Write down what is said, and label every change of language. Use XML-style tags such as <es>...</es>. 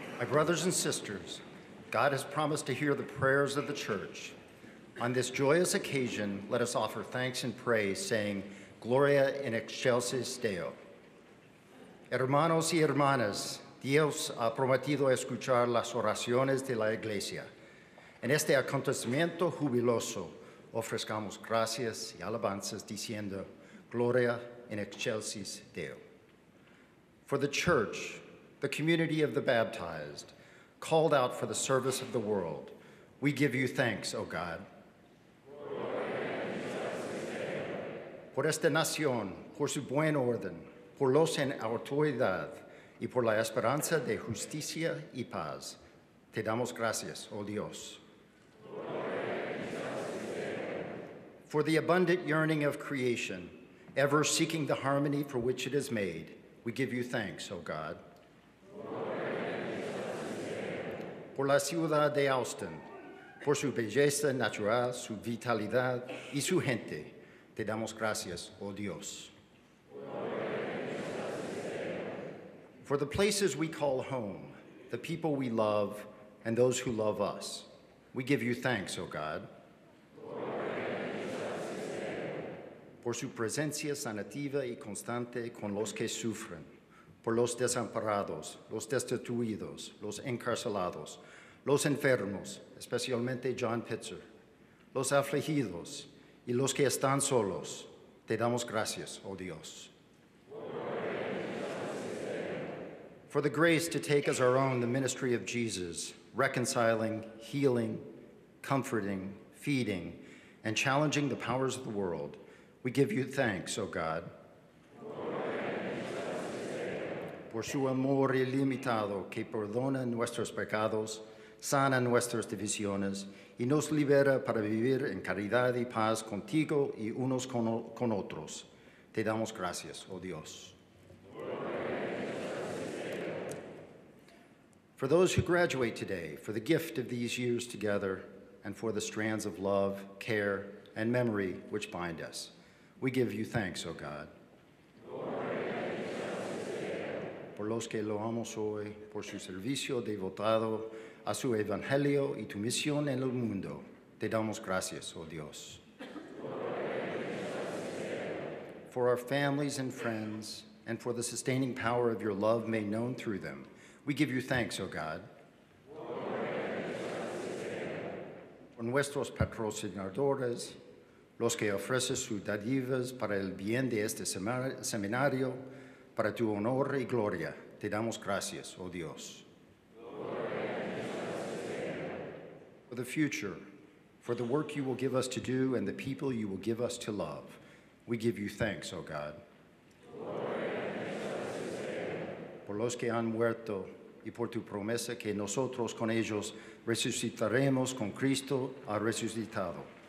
<en>Brothers and sisters, God has promised to hear the prayers of the church. On this joyous occasion, let us offer thanks and praise, saying,</en> <la>Gloria in excelsis Deo.</la> <es>Hermanos y hermanas, Dios ha prometido escuchar las oraciones de la Iglesia. En este acontecimiento jubiloso, ofrezcamos gracias y alabanzas, diciendo,</es> <la>Gloria in excelsis Deo.</la> <en>For the church, the community of the baptized, called out for the service of the world, we give you thanks, O God.</en> <es>Por esta nación, por su buen orden, por los en autoridad, y por la esperanza de justicia y paz, te damos gracias, O Dios.</es> <en>For the abundant yearning of creation, ever seeking the harmony for which it is made, we give you thanks, O God.</en> <es>Por la ciudad de Austin, por su belleza natural, su vitalidad y su gente, te damos gracias, oh Dios.</es> <en>For the places we call home, the people we love, and those who love us, we give you thanks, oh God.</en> <es>Por su presencia sanativa y constante con los que sufren, por los desamparados, los destituidos, los encarcelados, los enfermos, especialmente John Pitzer, los afligidos y los que están solos, te damos gracias, oh Dios.</es> <en>For the grace to take as our own the ministry of Jesus, reconciling, healing, comforting, feeding, and challenging the powers of the world, we give you thanks, oh God.</en> <es>Por su amor ilimitado que perdona nuestros pecados, sana nuestras divisiones y nos libera para vivir en caridad y paz contigo y unos con otros. Te damos gracias, oh Dios.</es> <en>For those who graduate today, for the gift of these years together, and for the strands of love, care, and memory which bind us. We give you thanks, O God.</en> <es>Por los que lo amamos hoy, por su servicio devotado a su evangelio y tu misión en el mundo, te damos gracias, O Dios.</es> <en>For our families and friends, and for the sustaining power of your love made known through them, we give you thanks, O God.</en> <es>Por nuestros patrocinadores, los que ofrecen sus dádivas para el bien de este seminario, para tu honor y gloria, te damos gracias, oh Dios.</es> <en>For the future, for the work you will give us to do and the people you will give us to love, we give you thanks, oh God.</en> <es>Por los que han muerto y por tu promesa que nosotros con ellos resucitaremos con Cristo ha resucitado.</es>